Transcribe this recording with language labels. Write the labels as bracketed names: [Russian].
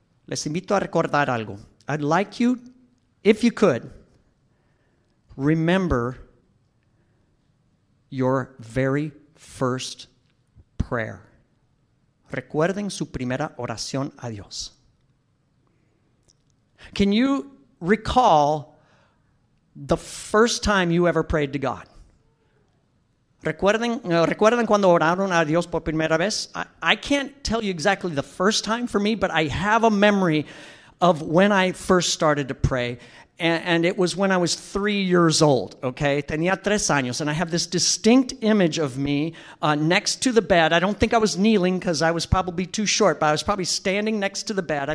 [Spanish] Les invito a recordar algo. [English] I'd like you, if you could, remember your very first prayer. [Spanish] Recuerden su primera oración a Dios. [English] Can you recall the first time you ever prayed to God? [Spanish] ¿Recuerden cuando oraron a Dios por primera vez? [English] I can't tell you exactly the first time for me, but I have a memory of when I first started to pray. And it was when I was 3 years old, okay? [Spanish] Tenía tres años. [English] And I have this distinct image of me next to the bed. I don't think I was kneeling because I was probably too short, but I was probably standing next to the bed.